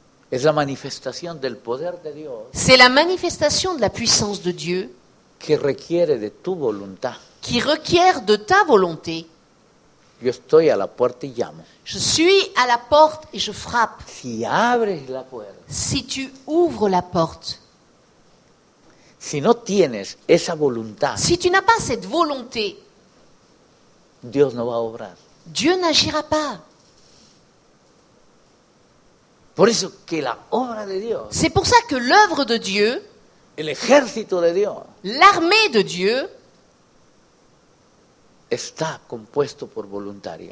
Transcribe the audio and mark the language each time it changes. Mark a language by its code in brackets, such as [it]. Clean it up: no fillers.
[es] Es la manifestación del poder de Dios. [fr] C'est la manifestation de la puissance de Dieu. [es] Que requiere de tu voluntad. [fr] Qui requiert de ta volonté. [es] Yo estoy a la puerta y llamo. [fr] Je suis à la porte et je frappe. [es] Si abres la puerta. [fr] Si tu ouvres la porte. [es] Si no tienes esa voluntad. [fr] Si tu n'as pas cette volonté. [es] Dios no va a obrar. [fr] Dieu n'agira pas. [es] Por eso que la obra de Dios. [fr] C'est pour ça que l'œuvre de Dieu. [es] El ejército de Dios. [fr] L'armée de Dieu. [es] Está compuesto por voluntarios.